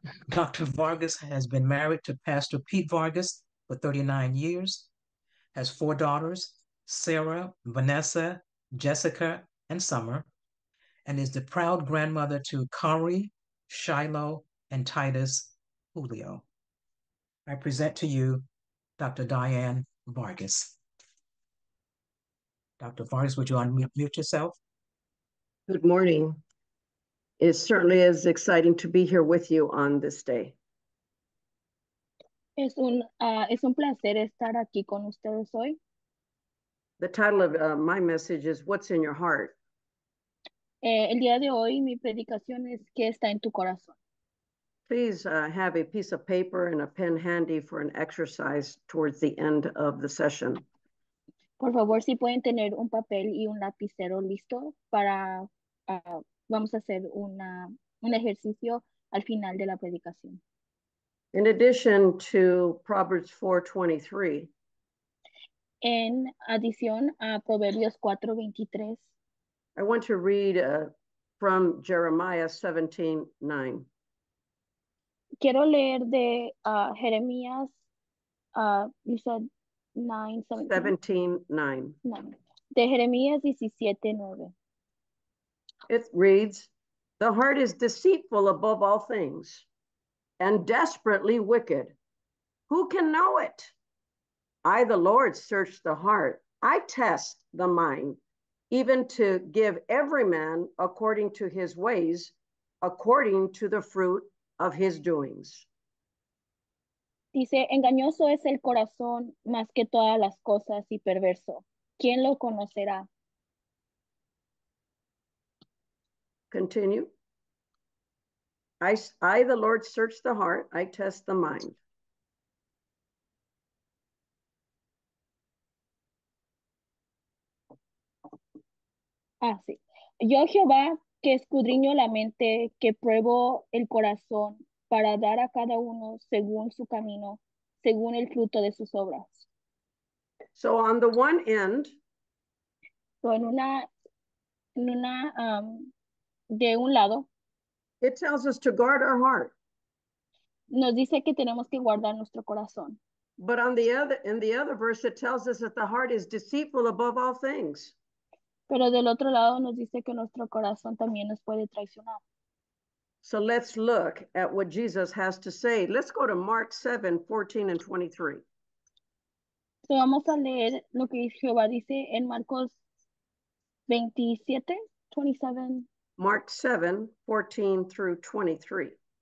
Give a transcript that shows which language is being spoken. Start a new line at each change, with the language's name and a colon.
English: Dr. Vargas has been married to Pastor Pete Vargas for 39 years, has four daughters, Sarah, Vanessa, Jessica, and Summer, and is the proud grandmother to Kari, Shiloh, and Titus Julio. I present to you Dr. Diane Vargas. Dr. Vargas, would you unmute yourself? Good morning. It certainly is exciting to be here with you on this day.
Spanish: Es un placer estar aquí con ustedes hoy.
English: The title of my message is What's in Your Heart?
Spanish: El día de hoy, mi predicación es ¿Qué está en tu corazón?
English: Please have a piece of paper and a pen handy for an exercise towards the end of the session.
Spanish: Por favor, si pueden tener un papel y un lapicero listo para... vamos a hacer un ejercicio al final de la predicación.
English: In addition to Proverbs 4:23,
Spanish: en adición a Proverbios 4:23,
English: I want to read from Jeremiah 17:9.
Spanish: Quiero leer de Jeremías,
English: you said 9,
Spanish: 17:9. De Jeremías 17:9.
English: It reads, "The heart is deceitful above all things and desperately wicked. Who can know it? I, the Lord, search the heart. I test the mind, even to give every man according to his ways, according to the fruit of his doings."
Spanish: Dice, engañoso es el corazón más que todas las cosas y perverso. ¿Quién lo conocerá?
English: Continue. I, the Lord, search the heart. I test the mind.
Spanish: Ah, sí. Yo, Jehová, que escudriño la mente, que pruebo el corazón para dar a cada uno según su camino, según el fruto de sus obras.
English: So on the one end.
Spanish: So en una de un lado.
English: It tells us to guard our heart.
Spanish: Nos dice que tenemos que guardar nuestro corazón.
English: But on the other, in the other verse, it tells us that the heart is deceitful above all things.
Spanish: Pero del otro lado nos dice que nuestro corazón también nos puede traicionar.
English: So let's look at what Jesus has to say. Let's go to Mark 7:14-23.
Spanish: So vamos a leer lo que Jehová dice en Marcos 27:27.
English: Mark 7:14-23.